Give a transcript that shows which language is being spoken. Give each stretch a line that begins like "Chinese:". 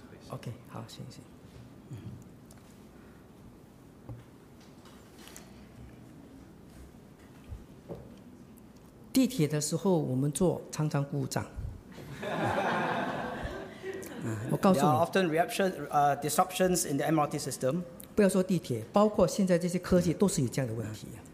Chinese: OK， 好，行行。地铁的时候我们坐常常故障。我告诉你。
English: There are often disruptions in the MRT system.
Chinese: 不要说地铁，包括现在这些科技都是有这样的问题。